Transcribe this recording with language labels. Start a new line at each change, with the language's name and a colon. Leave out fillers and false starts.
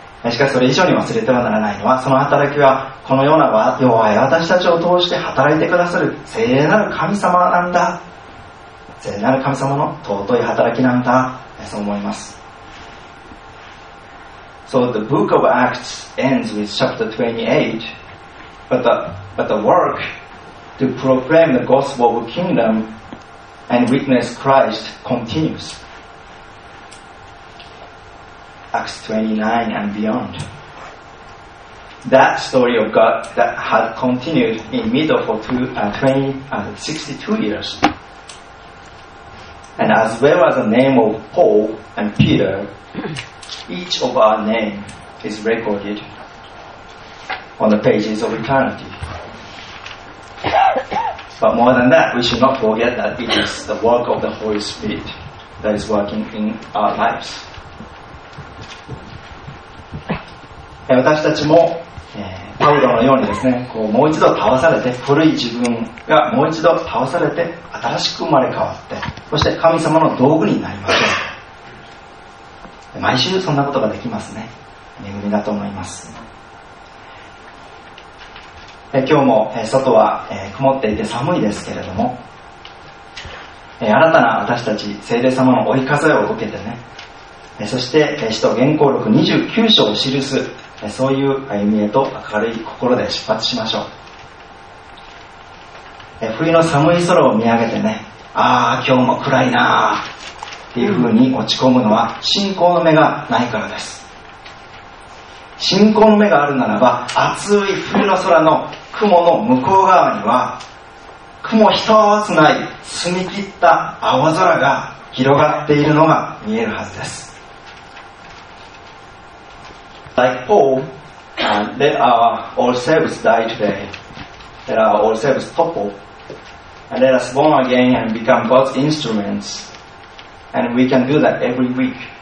Japanese: しかしそれ以上に忘れてはならないのは、その働きはこのような弱い私たちを通して働いてくださる聖霊なる神様なんだ、聖霊なる神様の尊い働きなんだ、そう思います。
English: So the book of Acts ends with chapter 28, but the work to proclaim the gospel of kingdom and witness Christ continues. Acts 29 and beyond. That story of God that had continued in middle for 62 years. And as well as the name of Paul and Peter,Each of our name is recorded on the pages of eternity. But more than that, we should not forget that it is the work of the Holy Spirit that is working in our lives.
Japanese: 私たちも、パウロのようにですね、こうもう一度倒されて、古い自分がもう一度倒されて、新しく生まれ変わって、そして神様の道具になりましょう。毎週そんなことができますね。恵みだと思います。今日も外は曇っていて寒いですけれども、新たな私たち聖霊様の追い風を受けてね、そして使徒言行録29章を記す、そういう歩みへと明るい心で出発しましょう。冬の寒い空を見上げてね、ああ今日も暗いなっていうふうに落ち込むのは信仰の目がないからです。信仰の目があるならば、暑い冬の空の雲の向こう側には雲一つない澄み切った青空が広がっているのが見えるはずです。
English: Like Paul, there are all saints die today. There are all saints topple. And let us born again and become God's instrumentsAnd we can do that every week.